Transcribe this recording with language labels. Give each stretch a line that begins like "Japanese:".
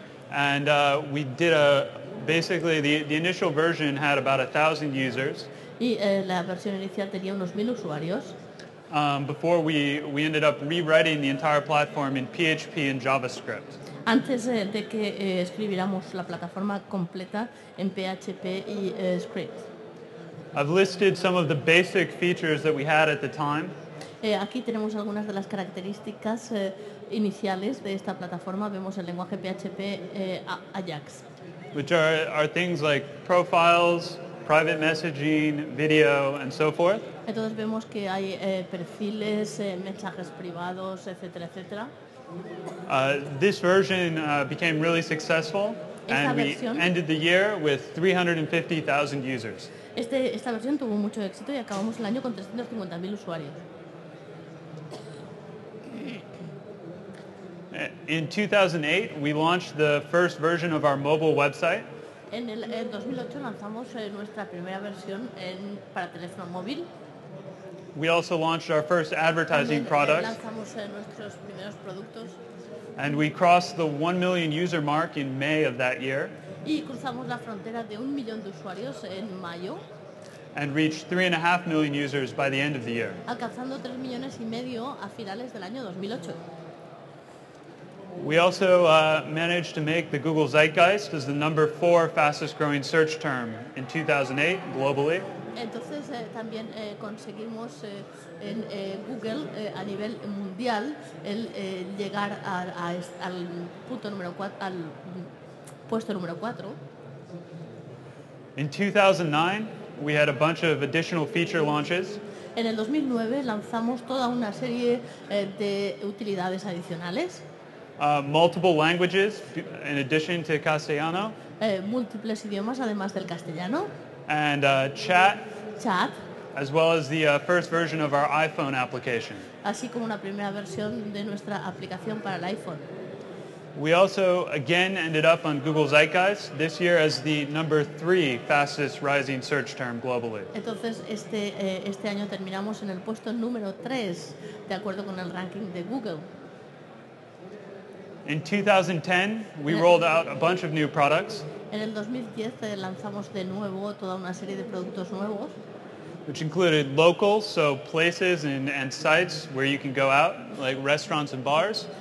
English: And we did basically the initial version had about 1,000 users.
Spanish: Y la versión inicial tenía unos 1,000 usuarios.
English: Before we ended up rewriting the entire platform in PHP and JavaScript.
Spanish: Antes de que escribiéramos la plataforma completa en PHP y Script.
English: I've listed some of the basic features that we had at the time.
Spanish: Aquí tenemos algunas de las características iniciales de esta plataforma. Vemos el lenguaje PHP Ajax.
English: Which are things like profiles, private messaging, video, and so forth.
Spanish: Entonces vemos que hay perfiles, mensajes privados, etcétera, etcétera.
English: This version became really successful, and we ended the year with 350,000 users.
Spanish: Esta versión tuvo mucho éxito y acabamos el año con 350,000 usuarios.
English: In 2008, we launched the first version of our mobile website.
Spanish: En el 2008 lanzamos nuestra primera versión para teléfono móvil.
English: We also launched our first advertising product.
Spanish: Lanzamos nuestros primeros productos.
English: And we crossed the 1 million user mark in May of that year.
Spanish: Y cruzamos la frontera de 1 millón de usuarios en mayo.
English: And reached 3.5 million users by the end of the year.
Spanish: Alcanzando 3.5 millones a finales del año 2008.
English: We also managed to make the Google Zeitgeist as the number 4 fastest growing search term in 2008 globally.
Spanish: Entonces también conseguimos en Google a nivel mundial el llegar al punto número 4, al puesto número 4.
English: In 2009, we had a bunch of additional feature launches.
Spanish: En el 2009 lanzamos toda una serie de utilidades adicionales.
English: Multiple languages, in addition to castellano.
Spanish: Múltiples idiomas, además del castellano.
English: And chat.
Spanish: Chat.
English: As well as the first version of our iPhone application.
Spanish: Así como una primera versión de nuestra aplicación para el iPhone.
English: We also again ended up on Google Zeitgeist this year as the number 3 fastest rising search term globally.
Spanish: Entonces este año terminamos en el puesto número 3 de acuerdo con el ranking de Google.
English: In 2010, we rolled out a bunch of new products.
Spanish: En el 2010 lanzamos de nuevo toda una serie de productos nuevos.
English: Which included local, so places and sites where you can go out, like restaurants and bars.